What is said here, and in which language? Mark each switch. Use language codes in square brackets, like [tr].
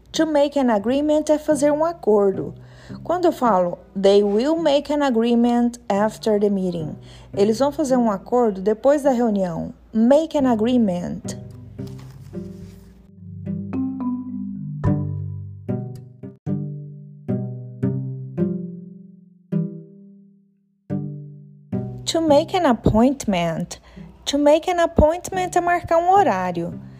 [en] To make an agreement [pt] é fazer um acordo. Quando eu falo, [en] they will make an agreement after the meeting. [pt] Eles vão fazer um acordo depois da reunião. [en] Make an agreement. To make an appointment. To make an appointment [pt] é marcar um horário.